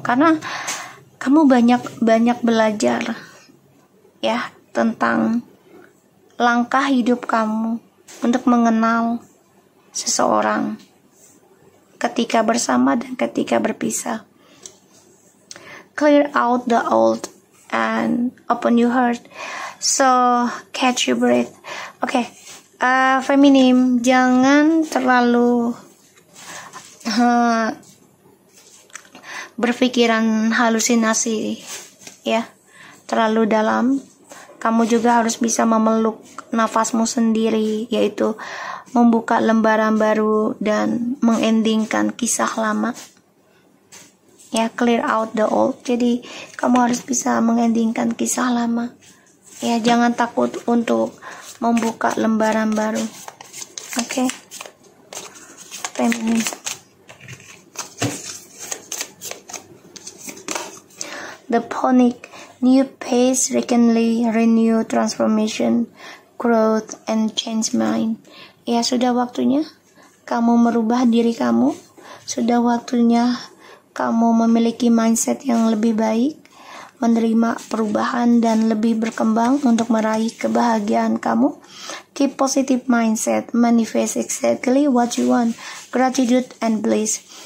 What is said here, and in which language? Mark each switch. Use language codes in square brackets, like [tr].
[id] Karena kamu banyak belajar ya tentang langkah hidup kamu untuk mengenal seseorang ketika bersama dan ketika berpisah. [en] Clear out the old and open your heart. So catch your breath. [id] Okay, feminim, jangan terlalu berpikiran halusinasi ya, terlalu dalam. Kamu juga harus bisa memeluk nafasmu sendiri, yaitu membuka lembaran baru dan mengendingkan kisah lama. Ya, [en] clear out the old. [id] Jadi, kamu harus bisa mengendingkan kisah lama. Ya, jangan takut untuk membuka lembaran baru. Oke. Feminin. [en] The Phoenix, new pace, recently renew transformation, growth, and change mind. [id] Ya, sudah waktunya kamu merubah diri kamu. Sudah waktunya kamu memiliki mindset yang lebih baik, menerima perubahan, dan lebih berkembang untuk meraih kebahagiaan kamu. [en] Keep positive mindset, manifest exactly what you want, gratitude and bliss.